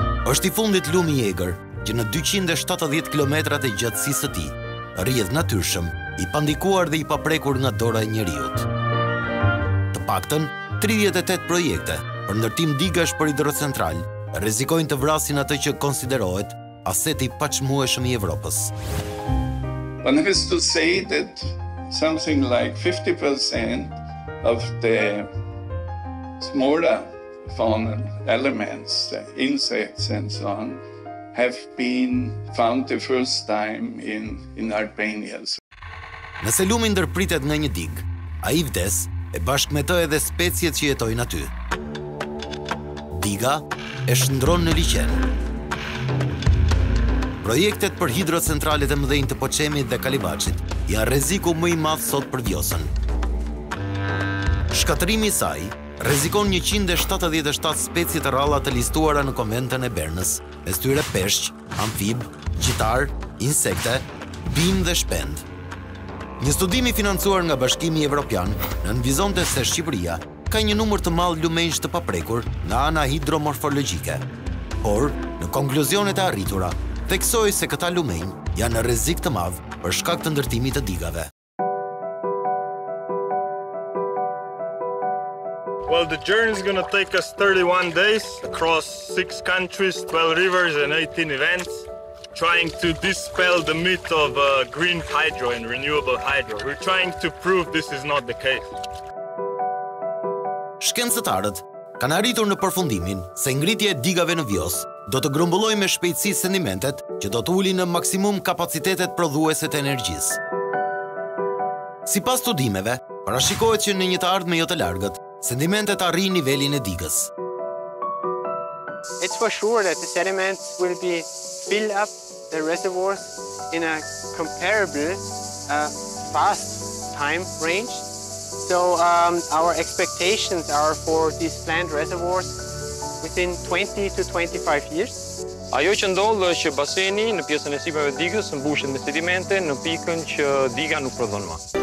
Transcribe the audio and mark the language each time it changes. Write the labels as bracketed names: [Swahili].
[Albanian] Është i fundit lumi i egër, që në 270 km të gjatësisë të tij, rrjedh natyrshëm, i pandikuar dhe i paprekur nga dora e njerëzit. Të paktën, 38 projekte për ndërtim digash për hidrocentral rrezikojnë të vrasin atë që konsiderohet aseti paçmueshëm i Evropës. [English] One has to say that something like 50% of the smaller fauna elements, insects and so on, have been found the first time in Albania. [Albanian] Nëse lumi ndërpritet nga një dig, ai vdes e bashkë me të edhe specjet që jetojnë aty. Diga e shndron në liqen. Projektet për hidrocentralet e mëdhenj të Poçemit dhe Kalibaçit janë rreziku më i madh sot për Vjosën. Shkatërimi i saj rrezikon 177 specie të rralla të listuara në Konventën e Bernës, mes tyre peshq, amfib, gjitar, insekte, bim dhe shpend. Një studim i financuar nga Bashkimi Evropian nënvizonte se Shqipëria ka një numër të madh lumenjsh të paprekur nga ana hidromorfologjike. Por, në konkluzionet e arritura, theksoi se këta lumenjë janë në rrezik të madh për shkak të ndërtimit të digave. [English] Well, the journey is going to take us 31 days across 6 countries, 12 rivers and 18 events, trying to dispel the myth of green hydro and renewable hydro. We're trying to prove this is not the case. [Albanian] Shkencëtarët kanë arritur në përfundimin se ngritja e digave në vjos do të grumbulloj me shpejtësi sedimentet që do të ulin në maksimum kapacitetet prodhuese të energjisë. Sipas studimeve, parashikohet që në një të ardhme jo të largët, sedimentet arrijnë nivelin e digës. [English] It's for sure that the sediments will be fill up the reservoirs in a comparable fast time range. So our expectations are for these planned reservoirs within 20 to 25 years. [Albanian] Ajo që ndodh është që baseni në pjesën e sipërme të digës mbushet me sedimente në pikën që diga nuk prodhon më.